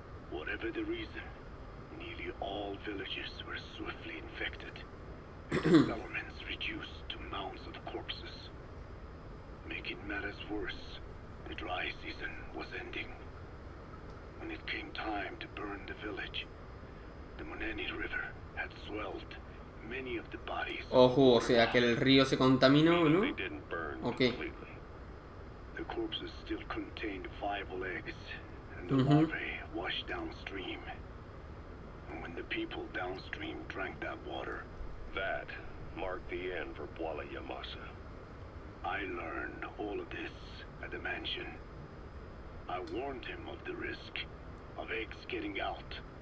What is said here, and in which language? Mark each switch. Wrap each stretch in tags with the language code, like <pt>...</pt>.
<en>Whatever the reason, nearly all villages were swiftly infected, and the settlements reduced to mounds of corpses. Making matters worse, the dry season was ending. When it came time to burn the village, the Muneni River had swelled. Many of the bodies.</en> <es>Ojo, o sea que el río se contaminó, ¿no?</es> <en>Okay. The corpses still contained viable eggs, and the larvae washed downstream. And when the people downstream drank that water, that marked the end for Buala Yamasa. I learned all of this at the mansion. I warned him of the risk of eggs getting out.</en>